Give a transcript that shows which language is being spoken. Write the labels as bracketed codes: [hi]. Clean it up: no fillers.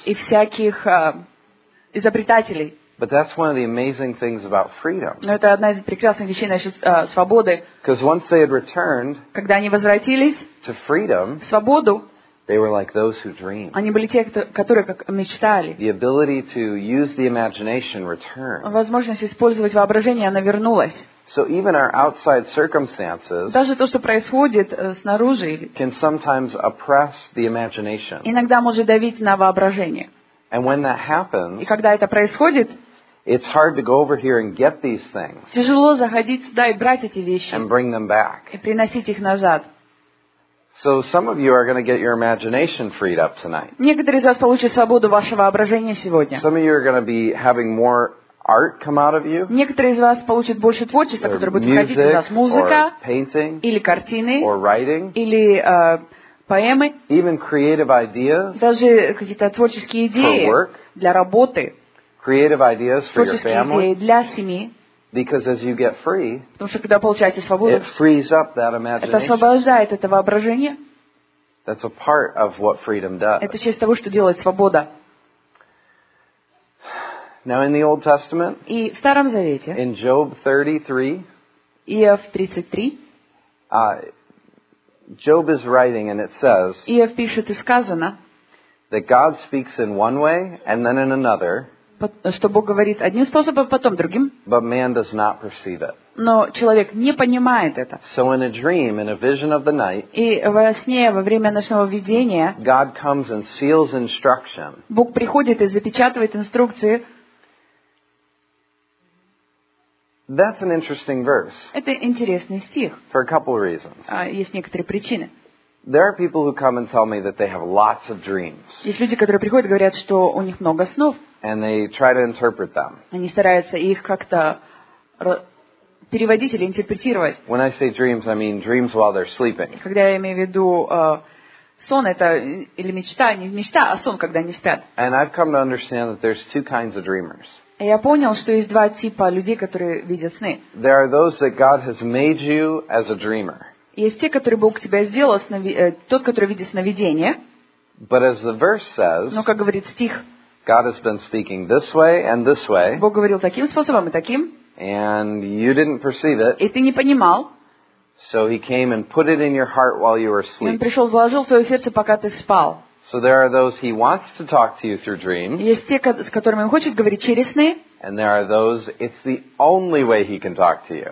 [ru] И всяких изобретателей. [en] But that's one of the amazing things about freedom. [ru] Но это одна из прекрасных вещей насчет свободы. [en] Because once they had returned. [ru] Когда они возвратились. [en] To freedom. [ru] В свободу. [en] They were like those who dreamed. [ru] Они были те, которые как мечтали. [en] The ability to use the imagination returned. [ru] Возможность использовать воображение, она вернулась. [en] So even our outside circumstances, [ru] даже то, что происходит снаружи, [en] can sometimes oppress the imagination. [ru] Иногда может давить на воображение. [en] And when that happens, [ru] и когда это происходит, [en] it's hard to go over here and get these things. [ru] Тяжело заходить сюда и брать эти вещи. [en] And bring them back. [ru] И приносить их назад. [en] So some of you are going to get your imagination freed up tonight. [ru] Некоторые из вас получат свободу вашего воображения сегодня. [en] Some of you are going to be having more art come out of you. [ru] Некоторые из вас получат больше творчества, которое будет выходить из вас. Музыка, [en] painting, [ru] или картины, [en] or writing, [ru] или поэмы. [en] Even creative ideas. [ru] Даже какие-то творческие идеи [en] for work, [ru] для работы. [en] Creative ideas for your family. [ru] Творческие идеи для семьи. [en] Because as you get free, [ru] потому что когда получаете свободу, [en] it frees up that imagination. [ru] Это освобождает это воображение. [en] That's a part of what freedom does. [ru] Это часть того, что делает свобода. [en] Now in the Old Testament, [ru] и в Старом Завете, [en] in Job 33, [ru] Иов 33, [en] Job is writing and it says, [ru] Иов пишет и сказано, [en] that God speaks in one way and then in another, [ru] что Бог говорит одним способом, потом другим. [en] But man does not perceive it. [ru] Но человек не понимает это. [en] So in a dream, in a vision of the night, [ru] и во сне, во время ночного видения, [en] God comes and seals instruction. [ru] Бог приходит и запечатывает инструкции. [en] That's an interesting verse. [ru] Это интересный стих. [en] For a couple of reasons. [ru] Есть некоторые причины. [en] There are people who come and tell me that they have lots of dreams. [ru] Есть люди, которые приходят и говорят, что у них много снов. [en] And they try to interpret them. [ru] Они стараются их как-то переводить или интерпретировать. [en] When I say dreams, I mean dreams while they're sleeping. [ru] Когда я имею в виду сон, это или мечта, не мечта, а сон, когда они спят. [en] And I've come to understand that there's two kinds of dreamers. [ru] Я понял, что есть два типа людей, которые видят сны. [en] There are those that God has made you as a dreamer. [ru] Есть те, которые Бог тебя сделал, тот, который видит сновидение. [en] But as the verse says, [ru] но как говорит стих, [en] God has been speaking this way and this way. [ru] Бог говорил таким способом и таким. [en] And you didn't perceive it. [ru] И ты не понимал. [en] So he came and put it in your heart while you were asleep. [ru] И он пришел, вложил в твое сердце, пока ты спал. [en] So there are those he wants to talk to you through dreams. [ru] Есть те, с которыми он хочет говорить через сны. [en] And there are those it's the only way he can talk to you.